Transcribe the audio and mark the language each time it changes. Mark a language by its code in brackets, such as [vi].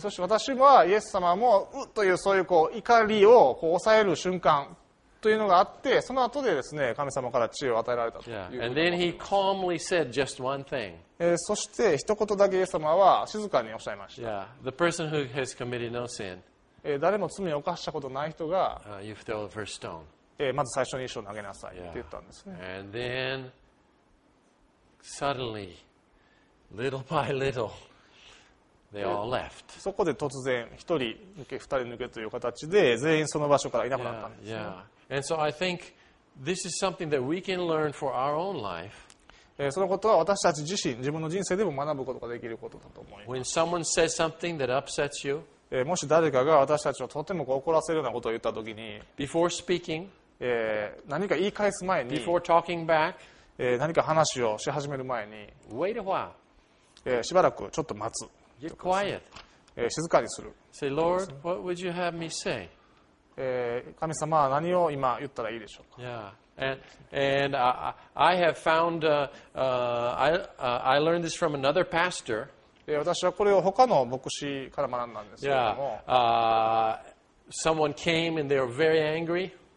[ja] そして私はイエス様もというそういうこう怒りをこう抑える瞬間というのがあって、その後でですね、神様から知恵を与えられたという。 [en] Yeah, and then he calmly said just one thing. [ja] そして一言だけイエス様は静かにおっしゃいました。 [en] Yeah, the person who has committed no sin. [ja] 誰も罪を犯したことない人が、 [en] you throw the first stone. [ja] まず最初に石を投げなさいって言ったんですね。 [en] And then, suddenly, little by little, they all left. [ja] そこで突然、一人抜け、二人抜けという形で、全員その場所からいなくなったんですね。 [en] Yeah. And so I think this is something that we can learn for our own life. [ja] そのことは私たち自身、自分の人生でも学ぶことができることだと思います。 [en] When someone says something that upsets you, [ja] もし誰かが私たちをとても怒らせるようなことを言ったときに [en] Before speaking, [ja] 何か言い返す前に [en] Before talking back, [ja] 何か話をし始める前に [en] Wait a while. [ja] しばらくちょっと待つ [en] Get quiet. [ja] 静かにする [en] Say, Lord, what would you have me say? [ja] 神様は何を今言ったらいいでしょうか、 [en] yeah. And I have found I learned this from another pastor [ja] 私はこれを他の牧師から学んだんですけれども [en] yeah, someone came and they were very angry.